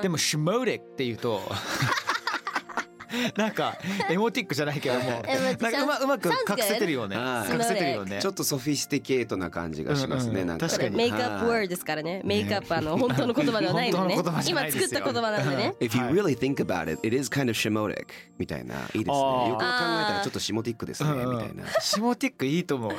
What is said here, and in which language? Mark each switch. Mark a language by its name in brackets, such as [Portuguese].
[Japanese] でもシマウレって言うと。なんかエモティックじゃないけどもなんか うまく隠せてるよね、隠せてるよね。ちょっとソフィスティケートな感じがしますね。なんか確かにメイクアップワードですからね。メイクアップ、本当の言葉ではないのね。本当の言葉今作った言葉なんでね。 [English] If you really think about it, it is kind of shemotic [Japanese] みたいな。いいですね。よく考えたらちょっとシモティックですねみたいな。シモティックいいと思う。